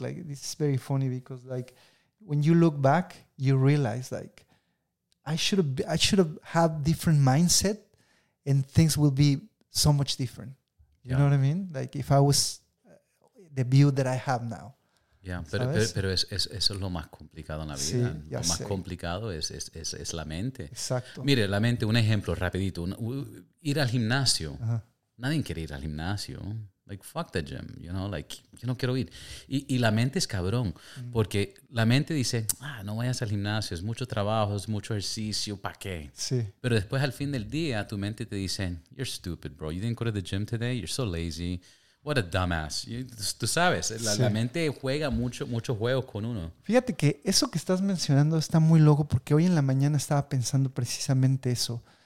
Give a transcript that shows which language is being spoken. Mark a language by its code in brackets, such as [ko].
[en] Like, this is very funny because, like, when you look back, you realize, like, I should have had different mindset. And things will be so much different. You know what I mean? Like if I was the view that I have now. [es] Yeah, pero eso es lo más complicado en la vida. Sí, lo más sé. Complicado es la mente. Exacto. Mire, la mente, un ejemplo rapidito. Ir al gimnasio. Uh-huh. Nadie quiere ir al gimnasio. [en] Like, fuck the gym, you know, like, [es] yo no quiero ir. Y la mente es cabrón, porque la mente dice, no vayas al gimnasio, es mucho trabajo, es mucho ejercicio, ¿pa' qué? Sí. Pero después, al fin del día, tu mente te dice, [en] you're stupid, bro, you didn't go to the gym today, you're so lazy, what a dumbass. [es] Tú sabes, la mente juega mucho juegos con uno. Fíjate que eso que estás mencionando está muy loco, porque hoy en la mañana estaba pensando precisamente eso.